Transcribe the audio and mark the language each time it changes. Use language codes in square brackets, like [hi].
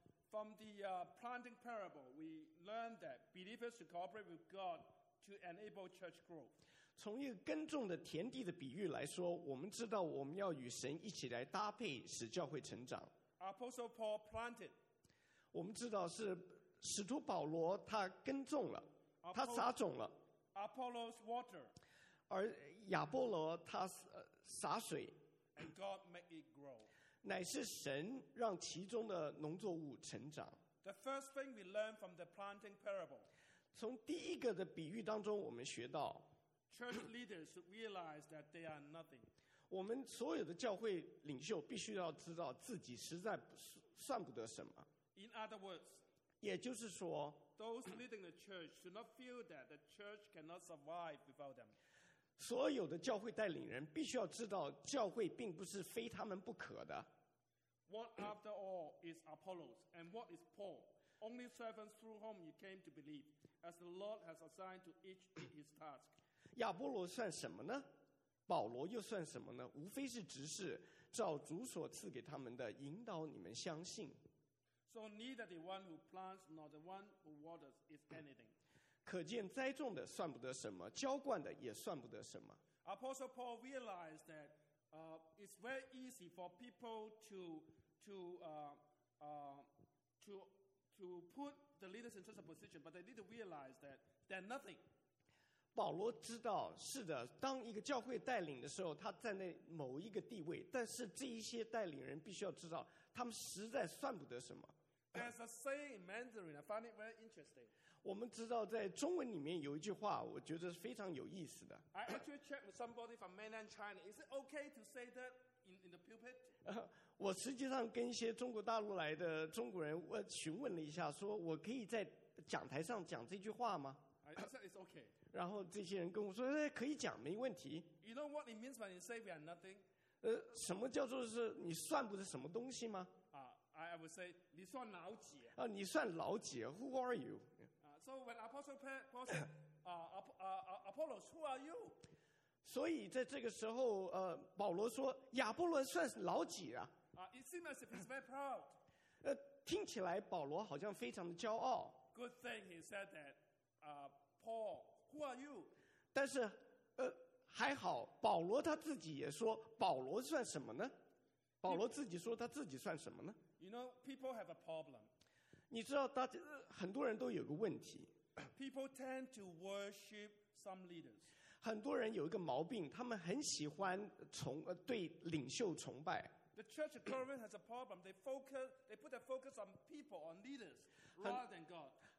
[en] From the planting parable, we learn that believers should cooperate with God to enable church growth. [zh] 从一个耕种的田地的比喻来说，我们知道我们要与神一起来搭配，使教会成长。 [en] Apostle Paul planted. [zh] 我们知道是使徒保罗他耕种了，他撒种了。 [en] Apollos water. [zh] 而亚波罗他撒水。 [en] And God made it grow. [zh] 乃是神让其中的农作物成长。 [en] The first thing we learn from the planting parable, [zh] 从第一个的比喻当中我们学到 [en] church leaders realize that they are nothing. [zh] 我们所有的教会领袖必须要知道自己实在算不得什么。 [en] In other words, [zh] 也就是说 [en] those leading the church should not feel that the church cannot survive without them. [zh] 所有的教会带领人必须要知道教会并不是非他们不可的。 [en] What after all is Apollos and what is Paul? Only servants through whom you came to believe, as the Lord has assigned to each his task. [zh] 亚波罗算什么呢？保罗又算什么呢？无非是执事，照主所赐给他们的引导你们相信。 [en] So neither the one who plants nor the one who waters is anything. [zh] 可见栽种的算不得什么，浇灌的也算不得什么。 [en] Apostle Paul realized that. It's very easy for people to put the leaders in such a position, but they need to realize that they're nothing. [zh] 保罗知道，是的，当一个教会带领的时候，他站在某一个地位，但是这一些带领人必须要知道，他们实在算不得什么。 [en] There's a saying in Mandarin. I find it very interesting. [zh] 我们知道，在中文里面有一句话，我觉得是非常有意思的。 [en] I actually checked with somebody from mainland China. Is it okay to say that in the pulpit? [zh] 我实际上跟一些中国大陆来的中国人，我询问了一下，说我可以在讲台上讲这句话吗 [en] ？I said it's okay. [zh] 然后这些人跟我说，可以讲，没问题。 [en] You know what it means when you say we are nothing? [zh] 什么叫做是你算不是什么东西吗？ [en] I would say [zh] 你算老几？你算老几 ？ [en] Who are you? So when Apostle Paul said, Apollos, who are you? [zh] 所以在这个时候，保罗说，亚波罗算是老几啊？ [en] It seems as if he's very proud. [zh] 听起来保罗好像非常的骄傲。 [en] Good thing he said that, Paul, who are you? [zh] 但是，还好，保罗他自己也说，保罗算什么呢？保罗自己说他自己算什么呢？ [en] You know, people have a problem. [zh] 你知道大家很多人都有个问题。 [en] People tend to worship some leaders. [zh] 很多人有一个毛病，他们很喜欢对领袖崇拜。 [en] The church of Corinth has a problem. They put their focus on people, on leaders, rather than God.